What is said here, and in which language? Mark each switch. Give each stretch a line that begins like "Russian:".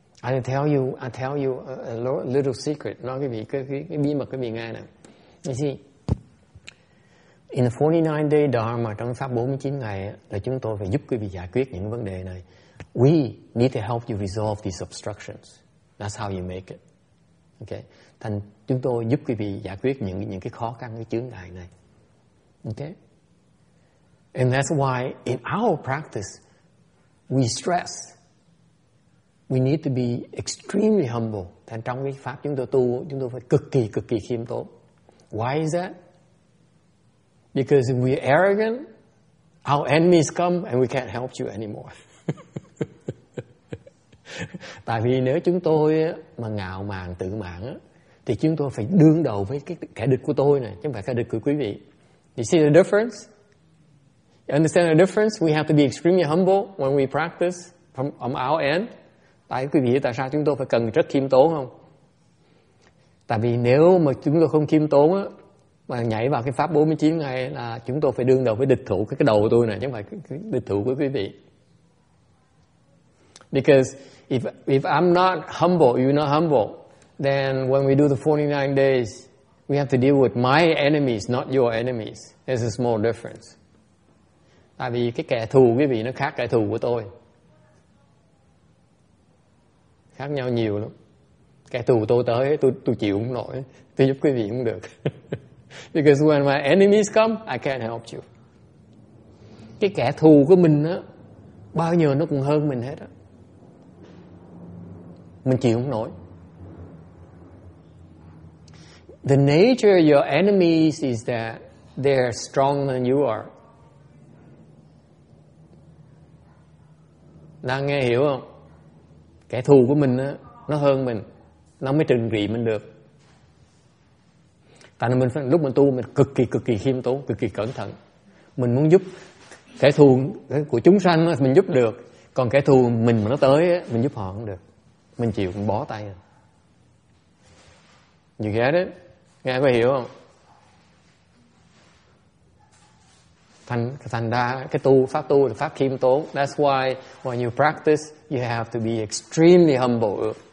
English: I tell you a little secret.
Vietnamese: Nói cái bí mật cái bí nghe nè.
English: You see, in the 49 day Dharma,
Vietnamese: trong pháp 49 ngày là chúng tôi phải giúp quý vị giải quyết những vấn đề này.
English: We need to help you resolve these obstructions. That's how you make it. Okay.
Vietnamese: Thành chúng tôi giúp quý vị giải quyết những cái khó khăn, cái chướng ngại này.
English: Okay. And that's why in our practice, we stress. We need to be extremely humble.
Vietnamese: Thành trong cái pháp chúng tôi tu, chúng tôi phải cực kỳ khiêm tốn.
English: Why is that? Because if we're arrogant, our enemies come and we can't help you anymore.
Vietnamese: Tại vì nếu chúng tôi mà ngạo mạn tự mãn thì chúng tôi phải đương đầu với cái kẻ địch của tôi này, chứ không phải kẻ địch của quý vị.
English: You see the difference? You understand the difference? We have to be extremely humble when we practice from our end.
Vietnamese: Tại quý vị tại sao chúng tôi phải cần rất khiêm tốn không? Tại vì nếu mà chúng tôi không khiêm tốn mà nhảy vào cái pháp 49 ngày là chúng tôi phải đương đầu với địch thủ cái đầu của tôi này, chứ không phải cái địch thủ của quý vị.
English: Because if I'm not humble, you're not humble, then when we do the 49 days, we have to deal with my enemies, not your enemies. There's a small difference.
Vietnamese: Tại vì cái kẻ thù quý vị nó khác kẻ thù của tôi. Khác nhau nhiều lắm. Kẻ thù tôi tới, tôi chịu không nổi. Tôi giúp quý vị cũng được.
English: Because when my enemies come, I can't help you.
Vietnamese: Cái kẻ thù của mình á, bao nhiêu nó cũng hơn mình hết á. Mình chịu không nổi.
English: The nature of your enemies is that they're stronger than you are.
Vietnamese: Đang nghe hiểu không? Kẻ thù của mình á, nó hơn mình, nó mới trừng trị mình được. Tại vì lúc mình tu mình cực kỳ khiêm tốn, cực kỳ cẩn thận. Mình muốn giúp kẻ thù của chúng sanh á, mình giúp được. Còn kẻ thù mình mà nó tới á, mình giúp họ không được. Mình chịu cũng bó tay rồi.
English: You get it?
Vietnamese: Nghe có hiểu không? Thành ra cái tu là pháp khiêm tốn.
English: That's why when you practice, you have to be extremely humble.